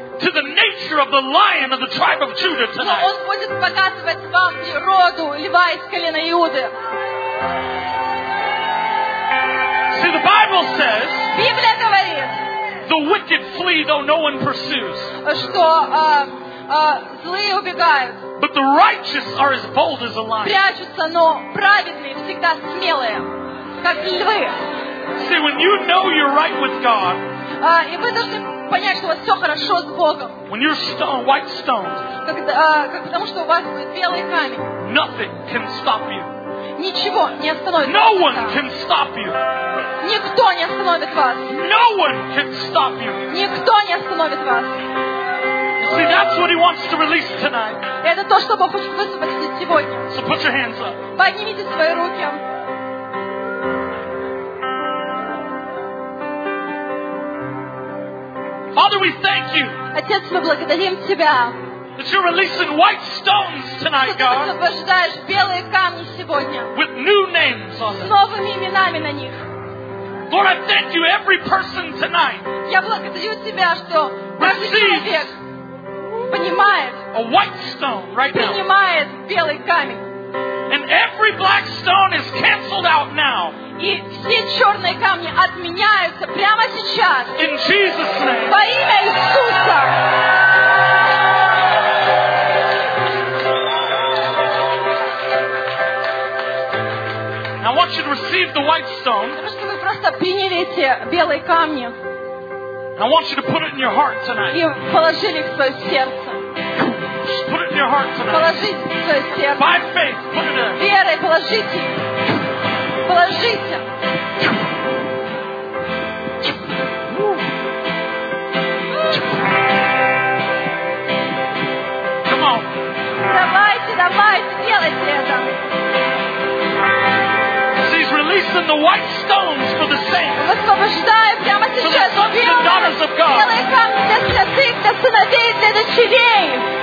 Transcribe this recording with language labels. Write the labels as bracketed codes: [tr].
[en] To the nature of the lion of the tribe of Judah tonight. [ru] Но он будет показывать вам роду льва из колена Иуды. [en] See, the Bible says. [ru] Библия говорит. [en] The wicked flee, though no one pursues. [ru] Что злые убегают. [en] But the righteous are as bold as a lion. [ru] Прячутся, но праведные всегда смелые, как львы. [en] See, when you know you're right with God. [ru] И вы должны понять, что у вас все хорошо с Богом. [en] When you're stone, white stone, [ru] как потому что у вас будет белый камень. [en] Nothing can stop you. [ru] Ничего не остановит [en] no [ru] вас. [en] One can stop you. [ru] Никто не остановит вас. [en] No one can stop you. [ru] Никто не остановит вас. [en] See, that's what he wants to release tonight. [ru] Это то, что Бог хочет высвободить сегодня. [en] So put your hands up. [ru] Поднимите свои руки. [en] Father, we thank you. [ru] Отец, мы благодарим тебя. [en] That you're releasing white stones tonight, God. [ru] Что ты высвобождаешь белые камни сегодня. [en] With new names on them. [ru] С новыми именами на них. [en] Lord, I thank you every person tonight. [ru] Я благодарю тебя, что каждый человек понимает. [en] A white stone right now. [ru] Принимает белый камень. [en] And every black stone is canceled out now. [ru] И все черные камни отменяются прямо сейчас. [en] In Jesus' name. [ru] Во имя Иисуса. [en] Now I want you to receive the white stone. [ru] Потому что вы просто приняли эти белые камни. [en] I want you to put it in your heart tonight. [ru] И положили их в свое сердце. [en] Just put it in your heart tonight. [ru] Положите в свое сердце. [en] By faith, put it in. [ru] Верой положите. Положите. [en] Come on. [ru] Давайте, давайте, делайте это. [en] She's releasing the white stones for the saints. [ru] Высвобождаю прямо сейчас белые камни для святых, для сыновей, для дочерей.